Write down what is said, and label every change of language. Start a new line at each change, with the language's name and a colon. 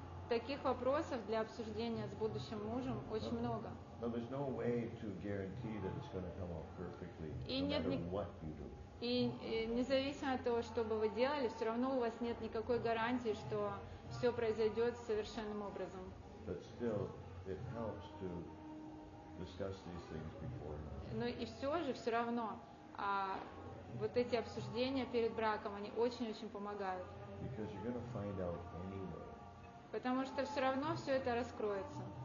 Russian: Таких вопросов для обсуждения с будущим мужем очень много.
English: No, there's no way to guarantee that it's going to come out perfectly, no matter what you do.
Russian: И независимо от того, что бы вы делали, все равно у вас нет никакой гарантии, что все произойдет совершенным образом.
English: But still, it helps to discuss these things before.
Russian: Но и все равно, вот эти обсуждения перед браком, они очень помогают.
English: Because you're going to find out anyway.
Russian: Потому что все равно все это раскроется.